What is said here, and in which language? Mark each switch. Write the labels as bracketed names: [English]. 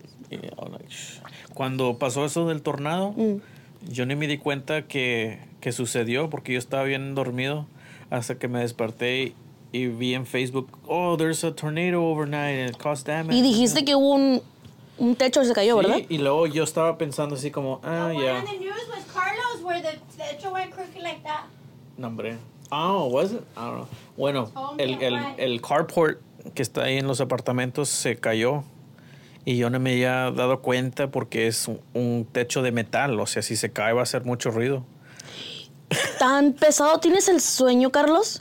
[English] Yeah, like, [Spanish] cuando pasó eso del tornado, yo ni me di cuenta que sucedió, porque yo estaba bien dormido hasta que me desperté y vi en Facebook, [English] oh, there's a tornado overnight, it caused damage. [Spanish] Y dijiste que hubo un techo que se cayó, sí, ¿verdad? Y luego yo estaba pensando así como, ah, ya. [English] The one on the news was Carlos, where the techo went crooked like that. [Spanish] No, hombre. [English] Oh, was it? I don't know. [Spanish] Bueno, el carport que está ahí en los apartamentos se cayó. Y yo no me había dado cuenta porque es un techo de metal. O sea, si se cae va a hacer mucho ruido. ¿Tan pesado tienes el sueño, Carlos?